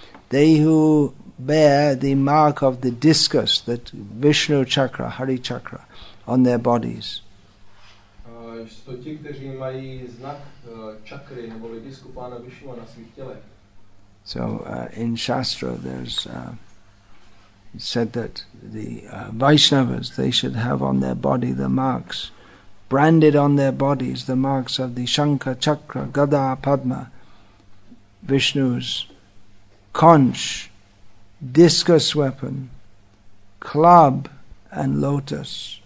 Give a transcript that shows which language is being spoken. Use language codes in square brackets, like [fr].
[en] They who bear the mark of the discus, that Vishnu chakra, Hari chakra, on their bodies. [cs] To ti, kteří mají znak čakry nebo disku pána Vishnu na svých tělech. [en] So in Shastra there's said that the Vaishnavas, they should have on their body the marks, branded on their bodies, the marks of the Shankha Chakra, Gada Padma, Vishnu's conch, discus weapon, club and lotus.